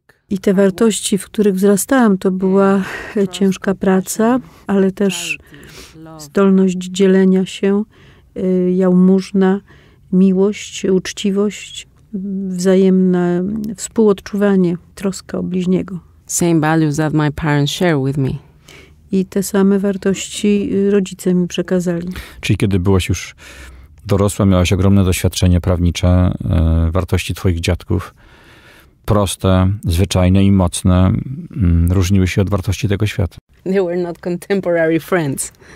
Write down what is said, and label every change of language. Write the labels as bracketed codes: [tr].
[pl] I te wartości, w których wzrastałam, to była ciężka praca, ale też zdolność dzielenia się, jałmużna, miłość, uczciwość, wzajemne współodczuwanie, troska o bliźniego. [en] Same values that my parents share with me. [pl] I te same wartości rodzice mi przekazali. Czyli kiedy byłaś już dorosła, miałaś ogromne doświadczenie prawnicze, wartości twoich dziadków, proste, zwyczajne i mocne, różniły się od wartości tego świata. [en] They were not contemporary friends.